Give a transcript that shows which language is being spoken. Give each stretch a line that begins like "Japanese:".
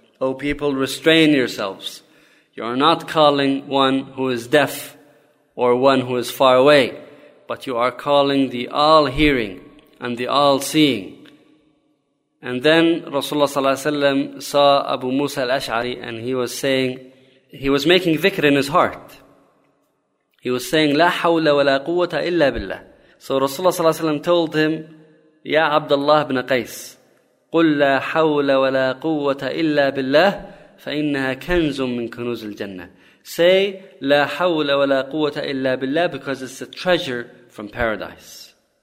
English: O people, restrain yourselves. You are not calling one who is deaf or one who is far away, but you are calling the all-hearing and the all-seeing. And then Rasulullah صلى الله عليه وسلم saw Abu Musa al-Ash'ari, and he was saying, he was making dhikr in his heart. He was saying,
Arabic: لَا حَوْلَ وَلَا قُوَّةَ إِلَّا بِاللَّهِ.
English: So Rasulullah sallallahu alayhi wa sallam told him, Ya Abdullah ibn Qais,
Arabic: قُلْ لَا حَوْلَ وَلَا قُوَّةَ إِلَّا بِاللَّهِ فَإِنَّهَا كَنْزٌ مِّن كُنُوزِ الْجَنَّةِ.
English: Say,
Arabic: لَا حَوْلَ وَلَا قُوَّةَ إِلَّا بِاللَّهِ,
English: because it's a treasure from paradise.